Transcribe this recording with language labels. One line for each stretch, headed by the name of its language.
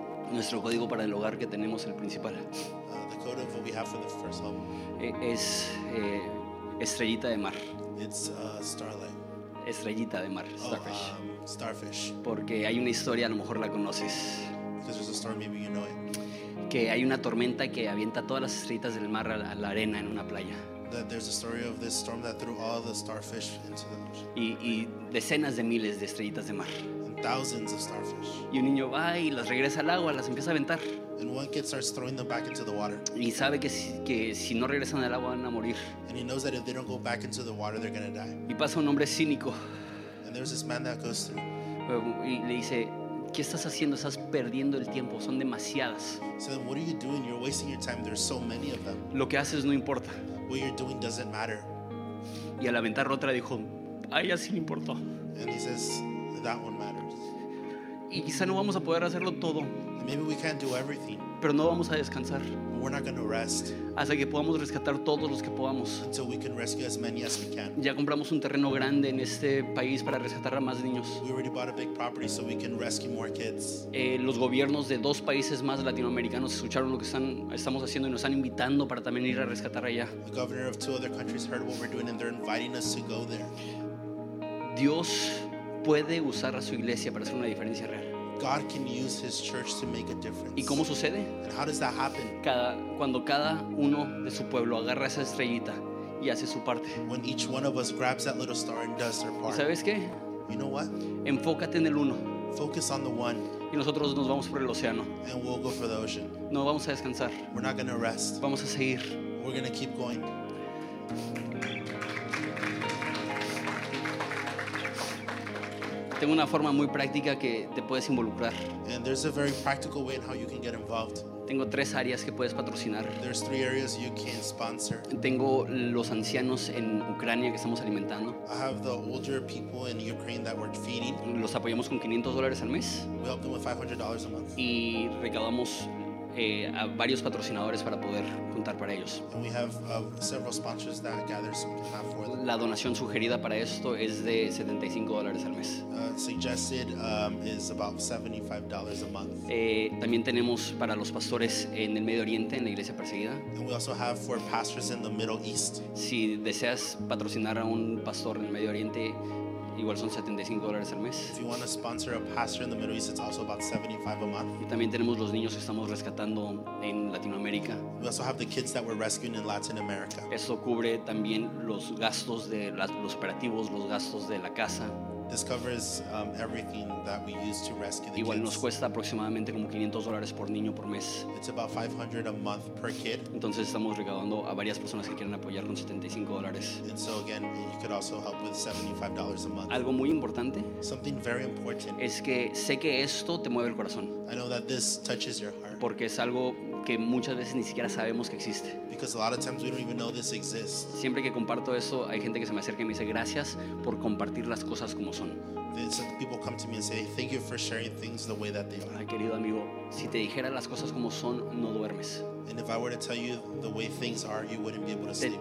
Spanish: Nuestro código para el hogar que tenemos el principal.
English: The code of what we have for the first home.
Spanish: Es estrellita de mar.
English: It's starlight.
Spanish: Estrellita de mar. Starfish.
English: Starfish.
Spanish: Porque hay una historia, a lo mejor la conoces.
English: Because there's a story, maybe you know it.
Spanish: Que hay una tormenta que avienta todas las estrellitas del mar a la arena en una playa.
English: That there's a story of this storm that threw all the starfish into the ocean.
Spanish: Y decenas de miles de estrellitas de mar.
English: Thousands of starfish.
Spanish: Y un niño va y las regresa al agua, las empieza a aventar.
English: And one kid starts throwing them back into the water.
Spanish: Y sabe que si no regresan al agua van a morir.
English: And he knows that if they don't go back into the water, they're gonna die.
Spanish: Y pasa un hombre cínico.
English: And there's this man that goes through.
Spanish: Y le dice, ¿qué estás haciendo? Estás perdiendo el tiempo. Son demasiadas.
English: So then what are you doing? You're wasting your time. There's so many of them.
Spanish: Lo que haces no importa.
English: What you're doing doesn't matter.
Spanish: Y al aventar otra dijo, a ella sí le importó.
English: And he says, that one matters.
Spanish: Y quizá no vamos a poder hacerlo todo.
English: Maybe we can't do everything.
Spanish: Pero no vamos a descansar.
English: We're not going to rest.
Spanish: Hasta que podamos rescatar todos los que podamos.
English: Until we can rescue as many as we can.
Spanish: Ya compramos un terreno grande en este país para rescatar a más niños.
English: We already bought a big property so we can rescue more kids.
Spanish: Los gobiernos de dos países más latinoamericanos escucharon lo que estamos haciendo y nos están invitando para también ir a rescatar allá.
English: The governor of two other countries heard what we're doing and they're inviting us to go there.
Spanish: Dios puede usar a su iglesia para hacer una diferencia real.
English: God can use his church to make a difference.
Spanish: ¿Y cómo sucede?
English: And how does that happen?
Spanish: Cuando cada uno de su pueblo agarra esa estrellita y hace su parte.
English: When each one of us grabs that little star and does their part.
Spanish: ¿Y sabes qué?
English: You know what?
Spanish: Enfócate en el uno.
English: Focus on the one.
Spanish: Y nosotros nos vamos por el océano.
English: And we'll go for the ocean.
Spanish: No vamos a descansar.
English: We're not going to rest.
Spanish: Vamos a seguir.
English: We're going to keep going.
Spanish: Tengo una forma muy práctica que te puedes involucrar.
English: And there's a very practical way in how you can get involved.
Spanish: Tengo tres áreas que puedes patrocinar.
English: There's three areas you can sponsor.
Spanish: Tengo los ancianos en Ucrania que estamos alimentando.
English: I have the older people in Ukraine that we're feeding.
Spanish: Los apoyamos con $500 al mes.
English: We help them with $500 a month.
Spanish: Y recaudamos a varios patrocinadores para poder juntar para ellos.
English: And we have several sponsors that gather some cash for them.
Spanish: La donación sugerida para esto es de $75 al mes.
English: Suggested is about $75 a month.
Spanish: También tenemos para los pastores en el Medio Oriente, en la iglesia perseguida.
English: And we also have for pastors in the Middle East.
Spanish: Si deseas patrocinar a un pastor en el Medio Oriente, igual son $75 al mes.
English: If you want to sponsor a pastor in the Middle East, it's also about $75 a month.
Spanish: Y también tenemos los niños que estamos rescatando en Latinoamérica.
English: We also have the kids that we're rescuing in Latin America.
Spanish: Eso cubre también los gastos de los operativos, los gastos de la casa.
English: This covers everything that we use to rescue the
Spanish: igual
English: kids.
Spanish: Nos cuesta aproximadamente como $500 por niño por mes.
English: It's about $500 a month per kid.
Spanish: Entonces estamos recaudando a varias personas que quieren apoyar con $75.
English: And so again, you could also help with $75 a month.
Spanish: Algo muy importante.
English: Something very important.
Spanish: Es que sé que esto te mueve el corazón.
English: I know that this touches your heart.
Spanish: Porque es algo que muchas veces ni siquiera sabemos que existe.
English: Because a lot of times we don't even know this exists.
Spanish: Siempre que comparto eso, hay gente que se me acerca y me dice gracias por compartir las cosas como son.
English: Some people come to me and say thank you for sharing things the way that they are.
Spanish: Ay, querido amigo, si te dijera las cosas como son, no duermes.
English: And if I were to tell you the way things are, you wouldn't be able to sleep.